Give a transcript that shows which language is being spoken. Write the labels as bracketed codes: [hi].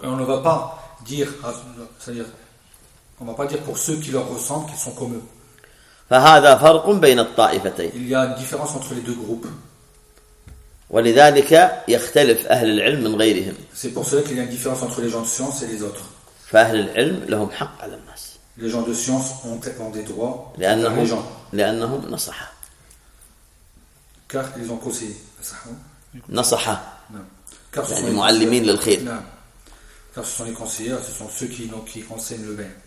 [fr] on ne va pas dire, c'est-à-dire, on ne va pas dire pour ceux qui leur ressemblent qu'ils sont comme eux. Il y a une différence entre les deux groupes. [ar] ولذلك يختلف أهل العلم من غيرهم. [fr] C'est pour cela qu'il y a une différence entre les gens de science et les autres. [ar] فأهل العلم لهم حق على الناس. [fr] Les gens de science ont des droits. [ar] لأنهم نصحة. [fr] Car ils ont conseillé. [ar] نصحة. [fr] Car [ar] يعني معلمين للخير. [fr] Car ce sont les conseillers, ce sont ceux qui enseignent le bien.